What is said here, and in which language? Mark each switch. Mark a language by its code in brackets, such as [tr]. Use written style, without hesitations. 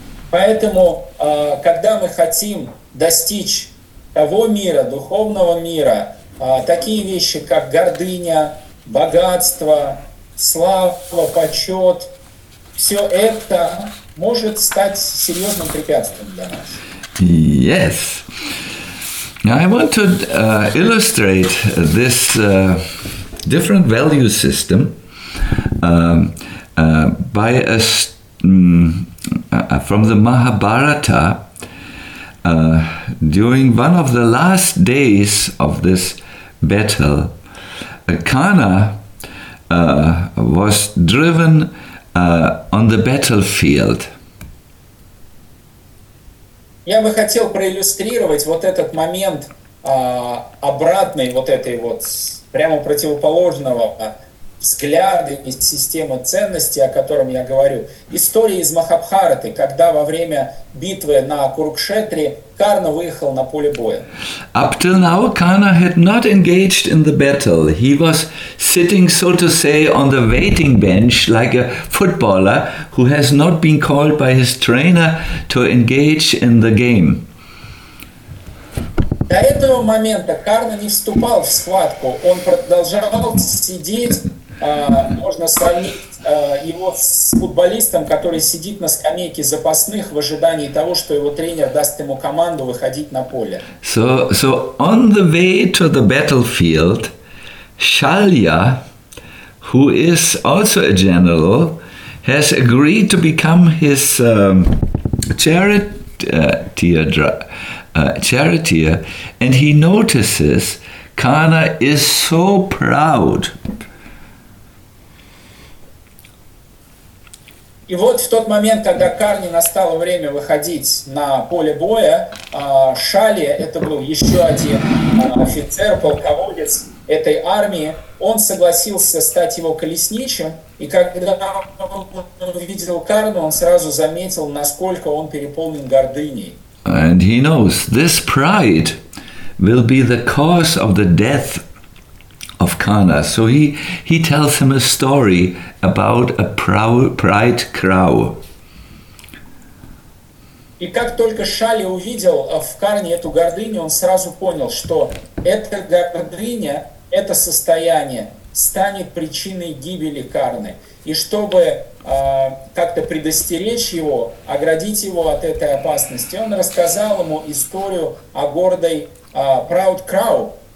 [ru] Поэтому, когда мы хотим достичь того мира, духовного мира, такие вещи, как гордыня, богатство, слава, почет, все это может стать серьезным препятствием для нас. [en] Yes. I want to illustrate this different value system by from the Mahabharata. During one of the last days of this battle, Karna was driven on the battlefield. [ru] Я бы хотел проиллюстрировать вот этот момент обратный вот этой вот прямо противоположного взгляда и системы ценностей, о котором я говорю. История из Махабхараты, когда во время битвы на Курукшетре Карна выехал на поле боя. [en] Up till now, Karna had not engaged in the battle. He was sitting, so to say, on the waiting bench, like a footballer who has not been called by his trainer to engage in the game. [ru] До этого момента Карна не вступал в схватку. Он продолжал сидеть. Можно сравнить его с футболистом, который сидит на скамейке запасных в ожидании того, что его тренер даст ему команду выходить на поле. [en] So on the way to the battlefield, Shalya, who is also a general, has agreed to become his charioteer, and he notices Karna is so proud. [ru] И вот в тот момент, когда Карне настало время выходить на поле боя, Шали, это был еще один офицер, полководец этой армии, он согласился стать его колесничим, и когда он увидел Карну, он сразу заметил, насколько он переполнен гордыней. [en] And he knows this pride will be the cause of the death of Karna. So he tells him a story about a pride crow. [ru] И как только Шали увидел в Карне эту гордыню, он сразу понял, что эта гордыня, это состояние станет причиной гибели Карны. И чтобы как-то предостеречь его, оградить его от этой опасности, он рассказал ему историю о гордой [en] Proud Crow.